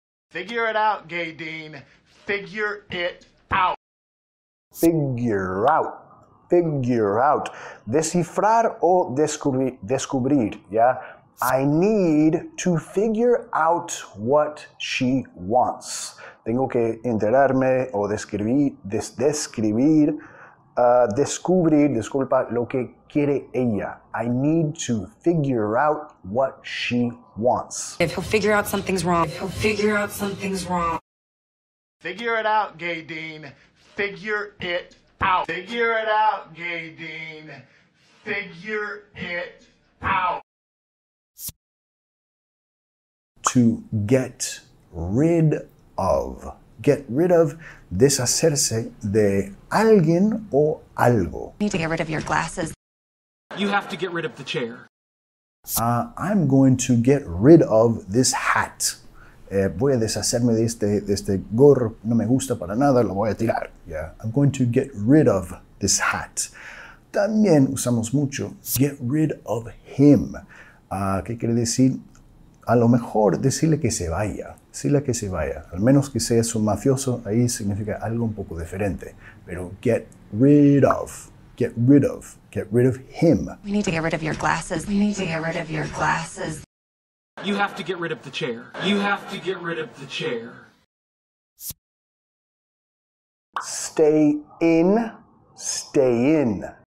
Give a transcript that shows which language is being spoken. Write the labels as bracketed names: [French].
[English] Figure it out, Gay Dean. Figure it out. Figure out. Figure out. [Spanish] Descifrar o descubrir, [English] yeah? I need to figure out what she wants. [Spanish] Tengo que enterarme o descubrir, disculpa, lo que quiere ella. [English] I need to figure out what she wants. If he'll figure out something's wrong. If he'll figure out something's wrong. Figure it out, Gay Dean. Figure it out. Figure it out, Gay Dean. Figure it out. To get rid of. [Spanish] Get rid of, deshacerse de alguien o algo. [English] You need to get rid of your glasses. You have to get rid of the chair. I'm going to get rid of this hat. [Spanish] Voy a deshacerme de este gorro. No me gusta para nada, lo voy a tirar. [English] Yeah. I'm going to get rid of this hat. [Spanish] También usamos mucho get rid of him. ¿Qué quiere decir? A lo mejor decirle que se vaya. Decirle que se vaya. Al menos que seas un mafioso, ahí significa algo un poco diferente. [English] Pero get rid of. Get rid of. Get rid of him. We need to get rid of your glasses. We need to get rid of your glasses. You have to get rid of the chair. You have to get rid of the chair. Stay in. Stay in.